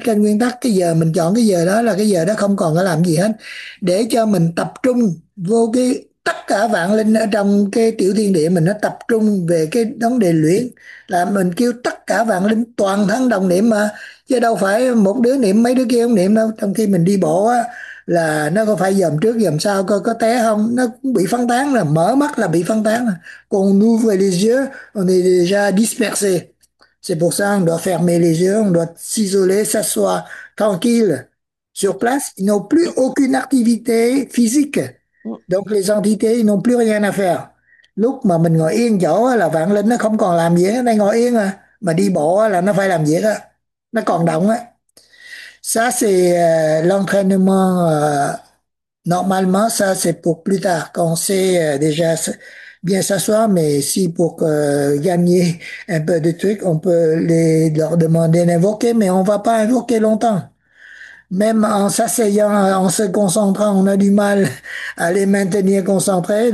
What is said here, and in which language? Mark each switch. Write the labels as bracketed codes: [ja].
[vi] Trên nguyên tắc cái giờ mình chọn cái giờ đó là cái giờ đó không còn có làm gì hết, để cho mình tập trung vô cái tất cả vạn linh ở trong cái tiểu thiên địa mình, nó tập trung về cái vấn đề luyện, là mình kêu tất cả vạn linh toàn thân đồng niệm mà, chứ đâu phải một đứa niệm mấy đứa kia không niệm đâu. Trong khi mình đi bộ á là nó có phải dòm trước dòm sau coi có té không, nó cũng bị phân tán, là mở mắt là bị phân tán. [fr] Còn nous ouvre les yeux, on est déjà dispersé. C'est pour ça on doit fermer les yeux, on doit s'isoler, s'asseoir tranquille sur place. Ils n'ont plus aucune activité physique, donc les entités n'ont plus rien à faire. [vi] Lúc mà mình ngồi yên chỗ là vạn linh nó không còn làm gì hết, đang ngồi yên mà đi bộ là nó phải làm gì đó, nó còn động á. [fr] Ça, c'est l'entraînement. Normalement, ça, c'est pour plus tard, quand on sait déjà bien s'asseoir. Mais si pour gagner un peu de trucs, on peut leur demander d'invoquer, mais on va pas invoquer longtemps. Même en s'asseyant, en se concentrant, on a du mal à les maintenir concentrés.